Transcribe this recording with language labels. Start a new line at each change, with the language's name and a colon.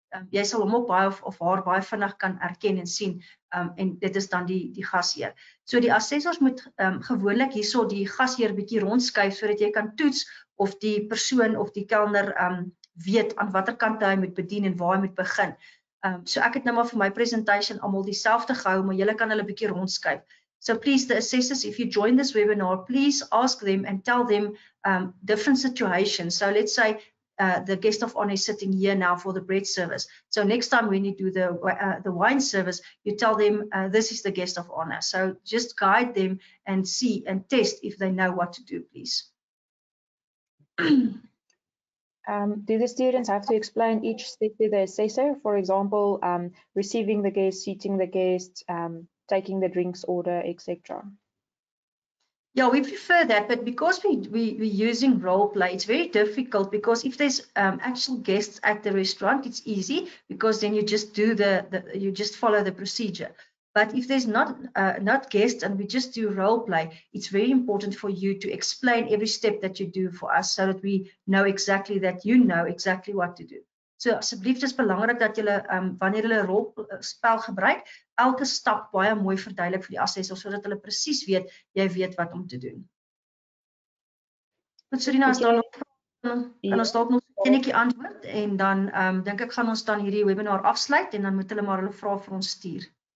Afrikaans: Jy sal hom op baie of haar baie vinnig kan erken en sien en dit is dan die gasheer. So die assessors moet gewoonlik hierso die gasheer bietjie rondskuif sodat jy kan toets of die persoon of die kelner weet aan watter kant hy moet bedien en waar hy moet begin. So ek het nou maar vir my presentation almal dieselfde gehou, maar julle kan hulle 'n bietjie rondskuif.
English: So please the assessors if you join this webinar, please ask them and tell them different situations. So let's say the guest of honor is sitting here now for the bread service. So next time when you do the wine service, you tell them this is the guest of honor. So just guide them and see and test if they know what to do, please. Do the students have to explain each step to the assessor? For example, receiving the guest, seating the guest, taking the drinks order, etc. Yeah, we prefer that, but because we're using role play, it's very difficult because if there's actual guests at the restaurant, it's easy because then you just do you just follow the procedure. But if there's not guests and we just do role play, it's very important for you to explain every step that you do for us so that we know exactly that you know exactly what to do.
Afrikaans: So asseblief dis belangrik dat julle wanneer hulle rolspel gebruik, elke stap baie mooi verduidelik vir die assessor sodat hulle presies weet jy weet wat om te doen. Met Serena is dan kan ons dalk nog 'n enetjie antwoord en dan dink ek gaan ons dan hierdie webinar afsluit en dan moet hulle maar hulle vrae vir ons stuur.